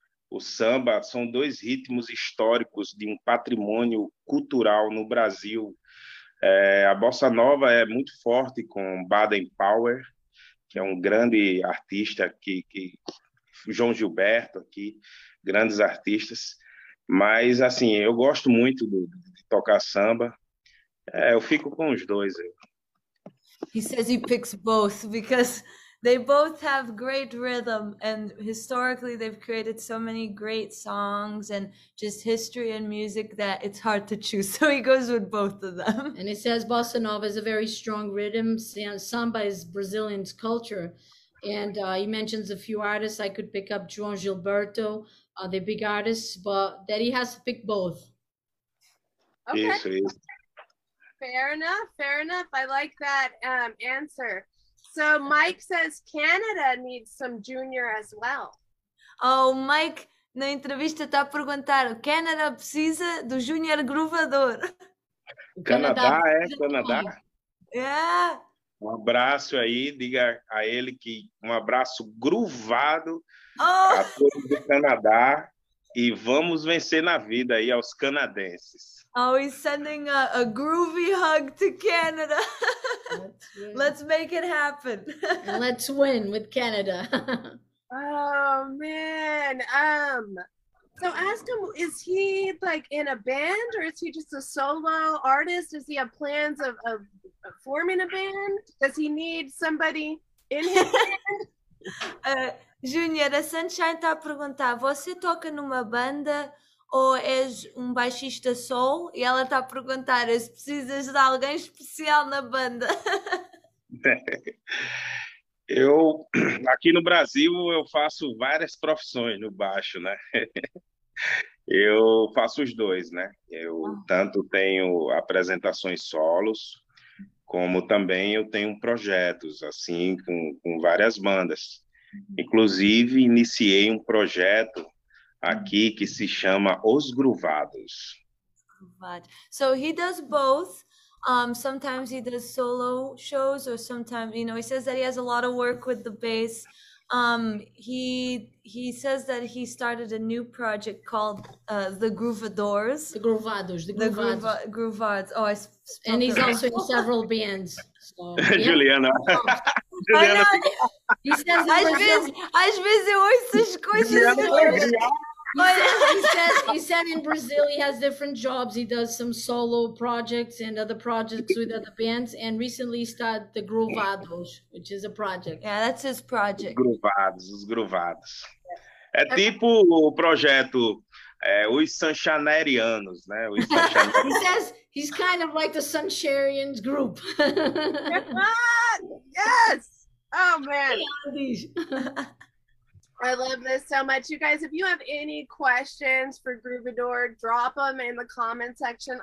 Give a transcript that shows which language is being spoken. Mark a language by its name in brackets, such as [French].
[Portuguese] O samba são dois ritmos históricos de um patrimônio cultural no Brasil. A bossa nova é muito forte com Baden Powell. que é um grande artista aqui, que João Gilberto aqui, grandes artistas. Mas assim, eu gosto muito de tocar samba. É, eu fico com os dois. [English] He says he picks both because they both have great rhythm, and historically they've created so many great songs and just history and music that it's hard to choose. So he goes with both of them. And he says bossa nova is a very strong rhythm. Samba is Brazilian culture. And he mentions a few artists. I could pick up João Gilberto, the big artist, but that he has to pick both. Okay. Yes, fair enough, fair enough. I like that answer. So Mike says Canada needs some Junior as well. [Portuguese] Oh, Mike, na entrevista está a perguntar, Canada precisa do Junior Groovador. Canadá, é? Canadá? [English] Yeah. [Portuguese] Um abraço aí, diga a ele que um abraço groovado para todos do Canadá e vamos vencer na vida aí aos canadenses. [English] Oh, he's sending a groovy hug to Canada. Let's make it happen. Let's win with Canada. Oh, man. So ask him, is he like in a band or is he just a solo artist? Does he have plans of forming a band? Does he need somebody in his band? [Portuguese] Junior, a Sunshine tá a perguntar, você toca numa banda ou és baixista solo? E ela tá a perguntar, se precisas de alguém especial na banda? Eu, aqui no Brasil, eu faço várias profissões no baixo, né? Eu faço os dois, né? Eu tanto tenho apresentações solos, como também eu tenho projetos, assim, com várias bandas. Inclusive, iniciei um projeto aqui que se chama Os Groovados. [English] So he does both. Sometimes he does solo shows, or sometimes, you know, he says that he has a lot of work with the bass. He says that he started a new project called the Groovadors. The Groovados. The Groovados. Oh, I spoke and he's also in several bands. Juliana. Juliana. He says [Portuguese] às vezes eu ouço as coisas. [English] He said in Brazil he has different jobs. He does some solo projects and other projects with other bands. And recently he started the Groovados, which is a project. Yeah, that's his project. [Portuguese] Os Groovados. É tipo o projeto Os Sanchanerianos, né? [English] He's kind of like the Sancharian group. Yes! Oh, man. I love this so much. You guys, if you have any questions for Groovador, drop them in the comment section.